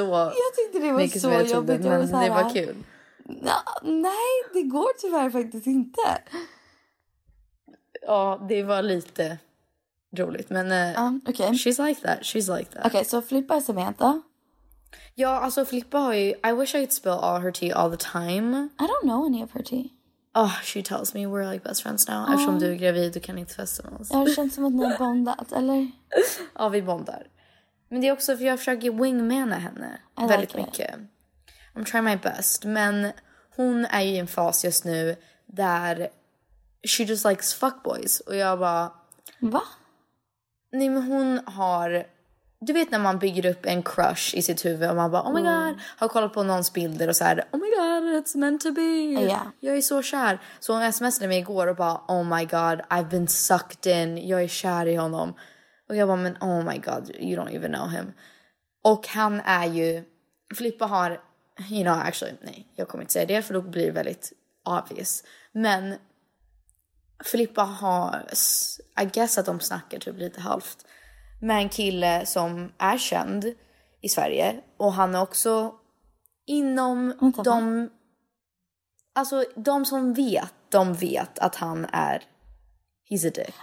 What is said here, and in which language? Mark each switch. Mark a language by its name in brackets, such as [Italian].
[Swedish] Jag tyckte det var så jobbigt. Men det var kul. Nej, det går tyvärr faktiskt inte. Ja, det var lite... Roligt, men [English] okay. She's like that. Okay, so Filippa är Samantha. [Swedish] Ja, alltså Filippa har ju... [English] I wish I could spill all her tea all the time. I don't know any of her tea. Oh, she tells me we're like best friends now. [Swedish] Eftersom du är gravid, du kan inte festa med oss. Ja, det känns som att ni har bondat, eller? Ja, vi bondar. Men det är också för jag försöker wingmana henne väldigt mycket. [English] I'm trying my best. [Swedish] Men hon är ju i en fas just nu där [English] she just likes fuckboys. [Swedish] Och jag bara... Va? Nej, men hon har... Du vet när man bygger upp en crush i sitt huvud och man bara, oh my god, har kollat på någons bilder och så här, [English] oh my god, it's meant to be. Yeah. [Swedish] Jag är så kär. Så hon smsade mig igår och bara, [English] oh my god, I've been sucked in. [Swedish] Jag är kär i honom. Och jag bara, men [English] oh my god, you don't even know him. [Swedish] Och han är ju... Filippa har... [English] You know, actually, [Swedish] nej, jag kommer inte säga det för då blir det väldigt obvious. Men... Filippa har, I guess att de snackar typ lite halvt, med en kille som är känd i Sverige. Och han är också inom de, alltså de som vet, de vet att han är, [English] he's a dick.